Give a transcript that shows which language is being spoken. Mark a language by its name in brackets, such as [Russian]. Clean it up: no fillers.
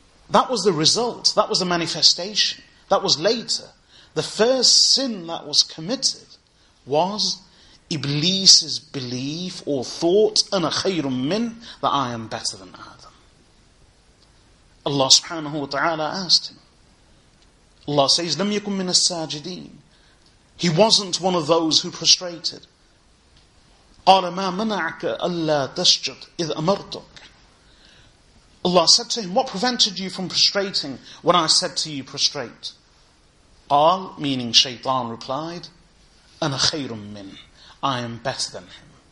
[English] That was the result. That was the manifestation. That was later. The first sin that was committed was Iblis's belief or thought, أَنَا خَيْرٌ مِّنْ, that I am better than Adam. Allah subhanahu wa ta'ala asked him. [Arabic] Allah says, لَمْ يَكُمْ مِنَ السَّاجِدِينَ. [English] He wasn't one of those who prostrated. [Arabic] قَالَ مَا مَنَعَكَ أَلَّا تَسْجُدْ إِذْ أَمَرْتُكَ. [English] Allah said to him, what prevented you from prostrating when I said to you, prostrate? Qal, meaning Shaytan, replied, أَنَا خَيْرٌ مِّنْ, I am better than him.